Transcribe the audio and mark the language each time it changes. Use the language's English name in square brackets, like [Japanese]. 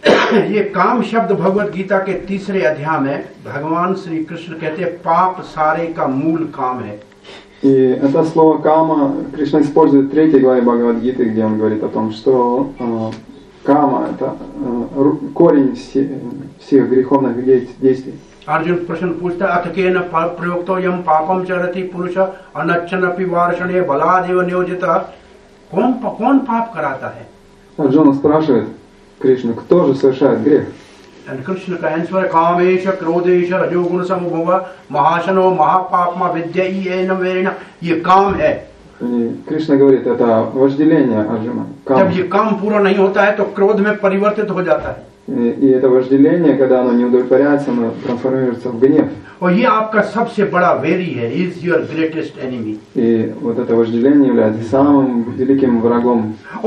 [Hindi] ये काम शब्द भगवत गीता के तीसरे अध्याय में भगवान श्री कृष्ण कहते हैं पाप सारे का मूल काम है. [Russian] И это слово кама Кришна использует в третьей главе Бхагавад Гиты, где он говорит о том, что кама это корень всех греховных действий. [Hindi] अर्जुन प्रश्न पूछता [Sanskrit] अथकेन प्रयुक्तो यम पापम चरति पुरुष अनच्छन्नपि वार्षणे बलादेव नियोजित [Hindi] कौन कौन पाप कराता है [Russian] अर्जुन спрашивает कृष्ण кто же совершает грех [Hindi] एंड कृष्ण का आंसर [Sanskrit] कामेश क्रोधेश रजोगुण समभव महाशनो महापापम विद्येन वेन [Hindi] ये काम है [Russian] कृष्ण говорит это вожделение अर्जुन [Hindi] जब ये काम पूरा नहीं होता है तो क्रोध में परिवर्तित हो जाता है [Russian] И это вожделение, когда оно не удовлетворяется, оно трансформируется в гнев. И вот это вожделение является самым великим врагом.